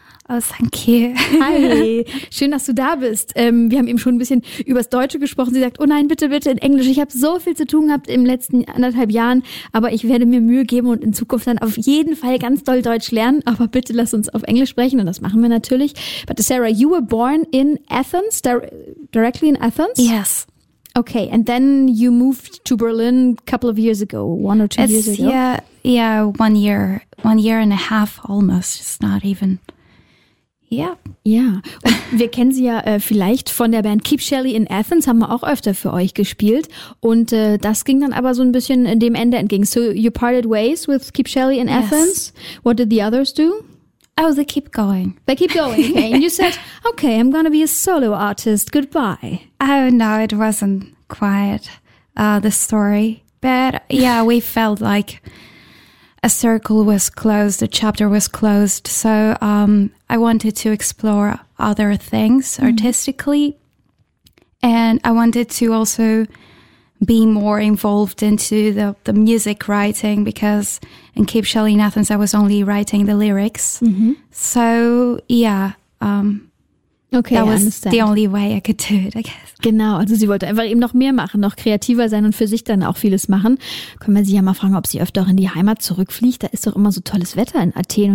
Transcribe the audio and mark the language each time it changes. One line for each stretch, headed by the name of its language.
German: Oh, danke. Hi, schön, dass du da bist. Wir haben eben schon ein bisschen übers Deutsche gesprochen. Sie sagt, oh nein, bitte, bitte in Englisch. Ich habe so viel zu tun gehabt im letzten anderthalb Jahren, aber ich werde mir Mühe geben und in Zukunft dann auf jeden Fall ganz doll Deutsch lernen. Aber bitte lass uns auf Englisch sprechen und das machen wir natürlich.
English: But Sarah, you were born in Athens, directly in Athens? Yes. Okay, and then you moved to Berlin a couple of years ago, one or two It's years ago? Yeah, 1 year, 1 year and a half almost. It's not even...
German: Ja, ja. Und wir kennen sie ja vielleicht von der Band Keep Shelley in Athens, haben wir auch öfter für euch gespielt. Und das ging dann aber so ein bisschen dem Ende entgegen.
English: So you parted ways with Keep Shelley in Athens. Yes. What did the others do? Oh, they keep going. They keep going. Okay. And you said, okay, I'm gonna be a solo artist. Goodbye. Oh no, it wasn't quite the story. But yeah, we felt like a circle was closed, a chapter was closed. So I wanted to explore other things artistically. And I wanted to also be more involved into the music writing because in Keep Shelley in Athens, I was only writing the lyrics. Mm-hmm. So, yeah. Okay, that was understand. The only way I could do it, I guess.
German: Genau, also sie wollte einfach eben noch mehr machen, noch kreativer sein und für sich dann auch vieles machen. Können wir sie ja mal fragen, ob sie öfter auch in die Heimat zurückfliegt. Da ist doch immer so tolles Wetter in Athen.